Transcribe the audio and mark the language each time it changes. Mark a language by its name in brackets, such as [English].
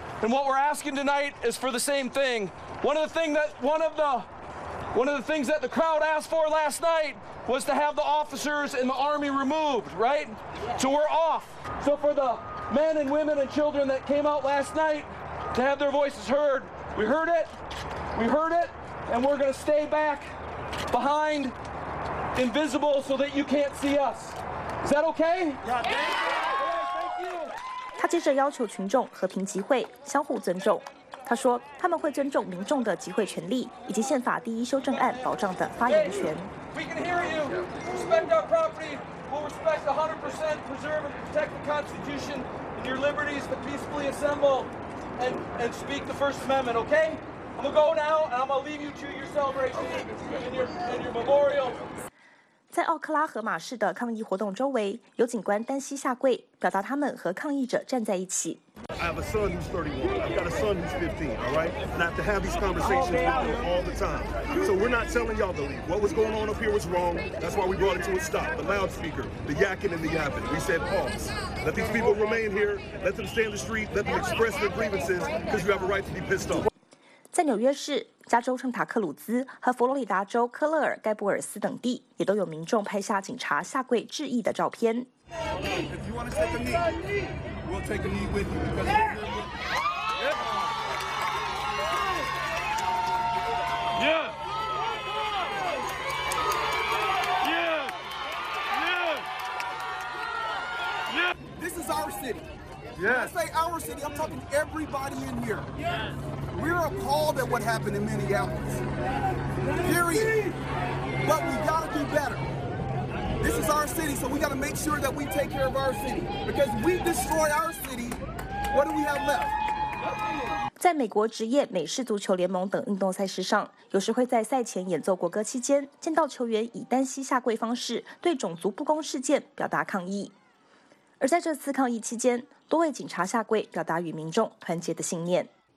[English] And what we're asking tonight is for the same thing. One of the things that the crowd asked for last night was to have the officers and the army removed, right? So we're off. So for the men and women and children that came out last night to have their voices heard, we heard it, and we're going to stay back behind, invisible, so that you can't see us. Is that okay? Yeah, thank you. [Chinese] 他接着要求群众和平集会，相互尊重。他说，他们会尊重民众的集会权利，以及宪法第一修正案保障的发言权。 [English] We can hear you. Respect our property. We'll respect 100% preserve and protect the Constitution and your liberties to peacefully assemble and speak the First Amendment. Okay? I'm gonna go now, and I'm gonna leave you to your celebration and your memorial. [Chinese] 在奥克拉荷马市的抗议活动周围，有警官单膝下跪，表达他们和抗议者站在一起。 [English] I have a son who's 31. I've got a son who's 15, all right? And I have to have these conversations with them all the time. So we're not telling y'all to leave. What was going on up here was wrong. That's why we brought it to a stop. The loudspeaker, the yakking and the yapping. We said pause. Let these people remain here. Let them stay in the street. Let them express their grievances because you have a right to be pissed off. [Chinese] 在纽约市、加州圣塔克鲁兹和佛罗里达州科勒尔盖布尔斯等地，也都有民众拍下警察下跪致意的照片。 [English] This is our city. When I say our city, I'm talking everybody in here. We're appalled at what happened in Minneapolis. Period. But we gotta do better. This is our city, so we got to make sure that we take care of our city. Because we destroy our city, what do we have left? [Chinese] 在美国职业美式足球联盟等运动赛事上，有时会在赛前演奏国歌期间，见到球员以单膝下跪方式对种族不公事件表达抗议。而在这次抗议期间，多位警察下跪表达与民众团结的信念。